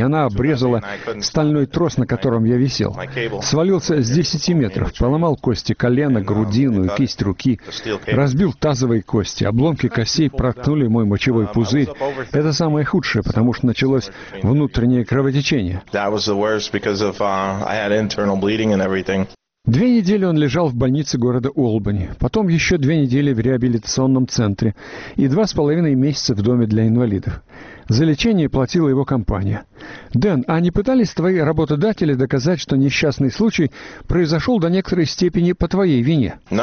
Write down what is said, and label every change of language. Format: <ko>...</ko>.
<ru>Она обрезала стальной трос, на котором я висел. Свалился с 10 метров, поломал кости колена, грудину и кисть руки. Разбил тазовые кости, обломки костей проткнули мой мочевой пузырь. Это самое худшее, потому что началось внутреннее кровотечение.</ru> <en>That was the worst because of I had internal bleeding and everything.</en> <ru>2 недели он лежал в больнице города Олбани, потом еще 2 недели в реабилитационном центре и 2,5 месяца в доме для инвалидов. За лечение платила его компания. Дэн, а не пытались твои работодатели доказать, что несчастный случай произошел до некоторой степени по твоей вине?</ru>